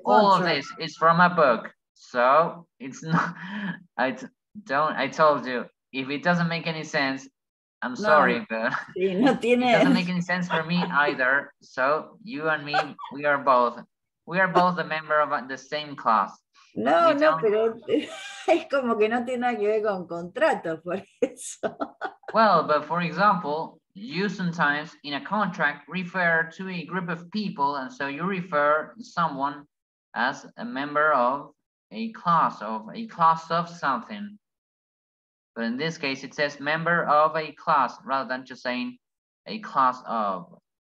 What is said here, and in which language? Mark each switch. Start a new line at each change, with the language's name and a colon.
English: all of this is from a book. So it's not, I told you, if it doesn't make any sense, I'm sorry, but it doesn't make any sense for me either. So you and me, we are both a member of the same class.
Spanish: No, pero es como que no tiene nada que ver con contrato, por eso.
English: Well, but for example, you sometimes in a contract refer to a group of people, and so you refer someone as a member of a class of something. But in this case, it says member of a class rather than just saying a class of.